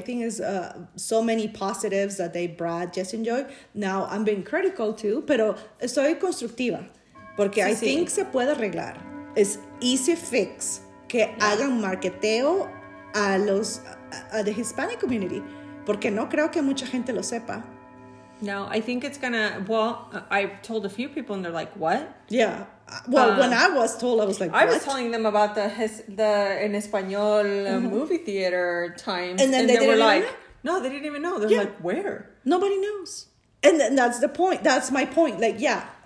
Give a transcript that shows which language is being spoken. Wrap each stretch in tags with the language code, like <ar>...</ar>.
<en>I think it's so many positives that they brought Jess and Joy. Now I'm being critical too,</en> <es>pero soy constructiva. Porque sí,</es> <en>I think</en> <es>se puede arreglar.</es> <en>It's easy fix</en> <es>que hagan marketeo a</es> <en>the Hispanic community.</en> <es>Porque no creo que mucha gente lo sepa.</es> <en>No, I think it's gonna... Well, I've told a few people and they're like, what? Yeah. Well, when I was told, I was like, what? I was telling them about the En Español movie theater times. And then they were like... No, they didn't even know. They're like, where? Nobody knows. And then that's the point. That's my point. Like, yeah.</en>